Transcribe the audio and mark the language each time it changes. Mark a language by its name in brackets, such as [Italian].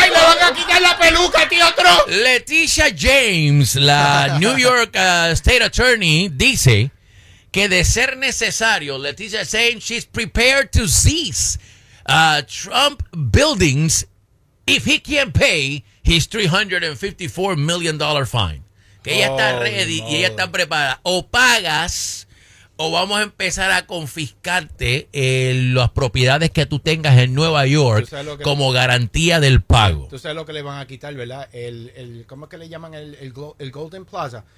[Spanish] ¡Ay, le van a quitar la peluca, tío Trump! Leticia James, la New York State Attorney, dice que de ser necesario, [English] Leticia saying she's prepared to seize Trump buildings if he can't pay his $354 million fine. [Spanish] Que ella está ready y ella está preparada. O pagas o vamos a empezar a confiscarte las propiedades que tú tengas en Nueva York como garantía del pago. Tú sabes lo que le van a quitar, ¿verdad? ¿Cómo es que le llaman el Golden Plaza?